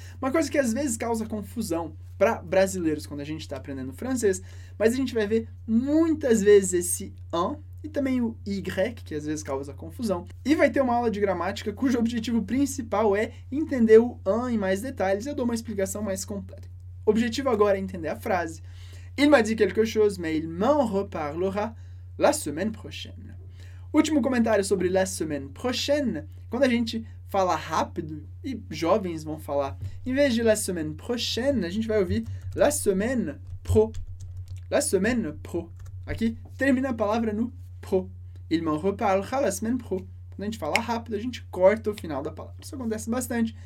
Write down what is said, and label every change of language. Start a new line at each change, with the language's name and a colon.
Portuguese: Uma coisa que às vezes causa confusão para brasileiros quando a gente está aprendendo francês, mas a gente vai ver muitas vezes esse en e também o y, que às vezes causa confusão. E vai ter uma aula de gramática cujo objetivo principal é entender o en em mais detalhes. Eu dou uma explicação mais completa. O objetivo agora é entender a frase.
French: Il m'a dit quelque chose, mais il m'en reparlera la semaine prochaine.
Portuguese: Último comentário sobre
French: la semaine prochaine.
Portuguese: Quando a gente fala rápido, e jovens vão falar, em vez de
French: la semaine prochaine,
Portuguese: a gente vai ouvir
French: la semaine pro. La semaine pro.
Portuguese: Aqui termina a palavra no pro.
French: Il m'en reparlera la semaine pro.
Portuguese: Quando a gente fala rápido, a gente corta o final da palavra. Isso acontece bastante.